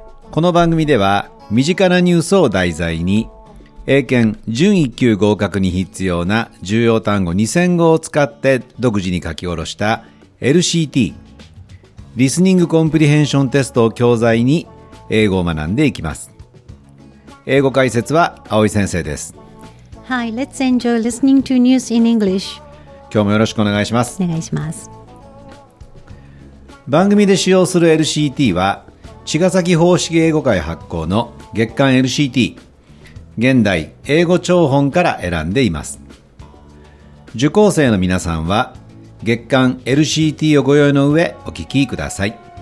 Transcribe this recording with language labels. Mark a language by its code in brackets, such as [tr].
[ja] この番組では身近なニュースを題材に、英検準一級合格に必要な重要単語2000語を使って独自に書き下ろした LCT リスニングコンプリヘンションテストを教材に英語を学んでいきます。英語解説は青井先生です。 [en] Hi, let's enjoy listening to news in English. [ja] 今日もよろしくお願いします。お願いします。番組で使用する LCT は茅ヶ崎方式英語会発行の月刊 LCT 現代英語聴本から選んでいます。受講生の皆さんは月刊 LCT をご用意の上お聞きください。